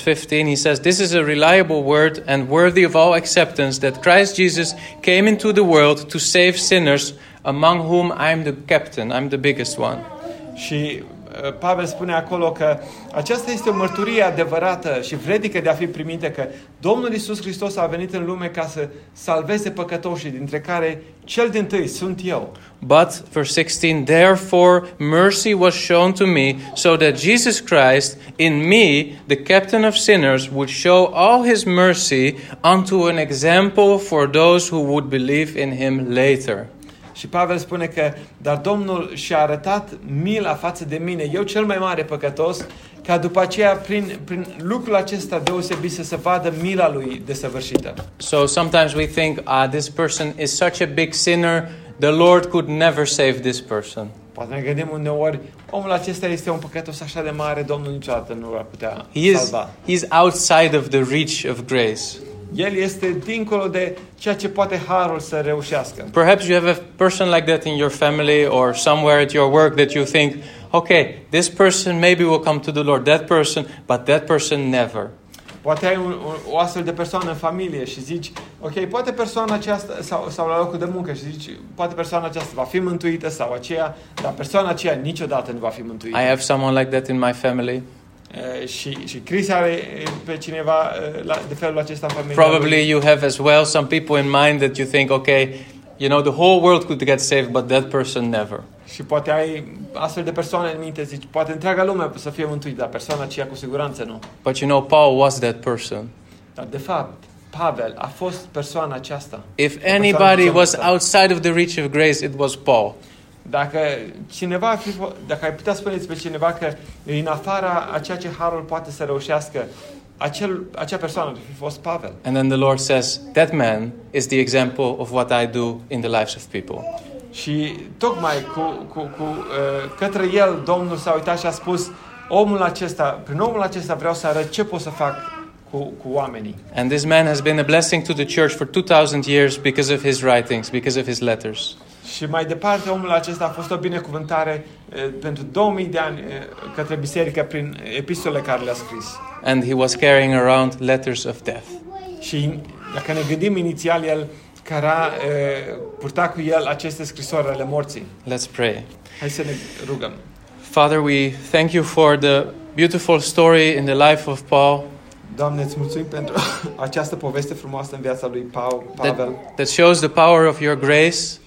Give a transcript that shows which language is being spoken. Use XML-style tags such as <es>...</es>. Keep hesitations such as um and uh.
<en>15 he says this is a reliable word and worthy of all acceptance that Christ Jesus came into the world to save sinners among whom I'm the captain I'm the biggest one.</en> <ro>She uh, Pavel spune acolo că aceasta este o mărturie adevărată și vrednică de a fi primită că Domnul a venit lume ca să salveze păcătoșii, dintre care cel din tâi sunt eu.</ro> <en>But, verse 16, therefore mercy was shown to me so that Jesus Christ in me, the captain of sinners, would show all his mercy unto an example for those who would believe in him later.</en> <ro>Și Pavel spune că, dar Domnul și-a arătat mila față de mine, eu cel mai mare păcătos, ca după aceea, prin, prin lucrul acesta deosebit, să se vadă mila lui desăvârșită.</ro> <en>So sometimes we think, ah, this person is such a big sinner, the Lord could never save this person.</en> <ro>Poate ne gândim uneori, omul acesta este un păcătos așa de mare, Domnul niciodată nu l va putea salva.</ro> <en>He is, he is outside of the reach of grace.</en> <ro>El este dincolo de ceea ce poate harul să reușească.</ro> <en>Perhaps you have a person like that in your family or somewhere at your work that you think, okay, this person maybe will come to the Lord, that person, but that person never.</en> <ro>Poate ai un, un, o astfel de persoană în familie și zici, ok, poate persoana aceasta, sau, sau la locul de muncă și zici, poate persoana aceasta va fi mântuită sau aceea, dar persoana aceea niciodată nu va fi mântuită.</ro> <en>I have someone like that in my family.</en> <ro>Uh, și, și Chris are pe cineva la, uh, de felul acesta în familie.</ro> <en>Probably you have as well some people in mind that you think, okay, you know, the whole world could get saved, but that person never.</en> <ro>Și poate ai astfel de persoane în minte, zici, poate întreaga lume să fie mântuită, dar persoana aceea cu siguranță nu.</ro> <en>But you know, Paul was that person.</en> <ro>Dar de fapt, Pavel a fost persoana aceasta.</ro> <en>If anybody was outside of the reach of grace, it was Paul.</en> <ro>Dacă cineva ar fi, dacă ai putea spune pe cineva că în afara a ceea ce Harul poate să reușească, acel, acea persoană ar fi fost Pavel.</ro> <en>And then the Lord says, that man is the example of what I do in the lives of people.</en> <ro>Și tocmai cu, cu, cu uh, către el Domnul s-a uitat și a spus, omul acesta, prin omul acesta vreau să arăt ce pot să fac cu, cu oamenii.</ro> <en>and this man has been a blessing to the church for 2000 years because of his writings, because of his letters.</en> <ro>Și mai departe, omul acesta a fost o binecuvântare pentru 2000 de ani către biserică prin epistole care le-a scris.</ro> <en>And he was carrying around letters of death.</en> <ro>Și dacă ne gândim inițial, el care cara, purtat cu el aceste scrisori ale morții.</ro> <en>Let's pray.</en> <ro>Hai să ne rugăm.</ro> <en>Father, we thank you for the beautiful story in the life of Paul.</en> <ro>Doamne, îți mulțumim pentru această poveste frumoasă în viața lui Paul, Pavel.</ro> <en>That, that shows the power of your grace.</en>